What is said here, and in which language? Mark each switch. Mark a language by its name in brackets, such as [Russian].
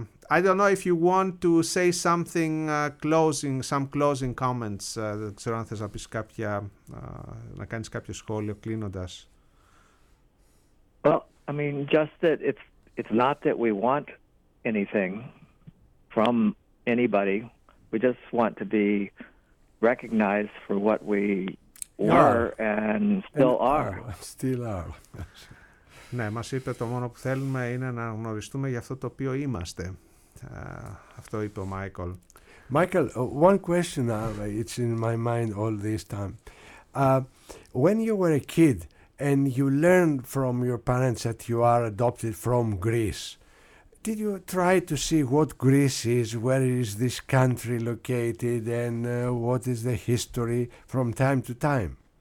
[English] I don't know if you want to say something closing, some closing comments. [Greek] Δεν ξέρω αν θες να πεις κάποια, να κάνεις κάποιο σχόλιο κλείνοντας. [English] Well, I mean, just that it's not that we want anything from anybody. We just want to be recognized for what we were and still are. Still are. [Greek] Ναι, μας είπε το μόνο που θέλουμε είναι να γνωριστούμε για αυτό το οποίο είμαστε. Αυτό είπε ο Μάικλ. [English] Μάικλ, one question now, it's in my mind all this time. When you were a kid and you learned from your parents that you are adopted from Greece, did you try to see what Greece is, where is this country located and what is the history from time to time?